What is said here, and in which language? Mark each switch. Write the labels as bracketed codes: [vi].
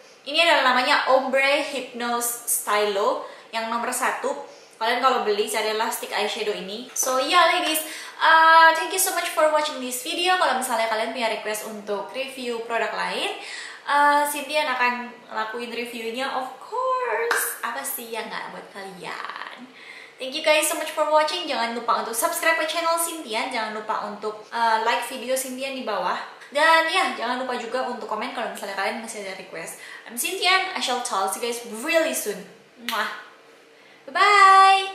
[id] Ini adalah namanya Ombre Hypnose Stylo yang nomor 1. Kalian kalau beli carilah stick eyeshadow ini. [en] So yeah ladies, thank you so much for watching this video. [id] Kalau misalnya kalian punya request untuk review produk lain, Sintian akan lakuin reviewnya [en] of course. [id] Apa sih yang gak buat kalian. [en] Thank you guys so much for watching. [id] Jangan lupa untuk subscribe ke channel Cynthian. Jangan lupa untuk like video Cynthian di bawah. Dan ya, jangan lupa juga untuk komen kalau misalnya kalian masih ada request. [en] I'm Cynthian. I shall talk to you guys really soon. Mwah. Bye-bye.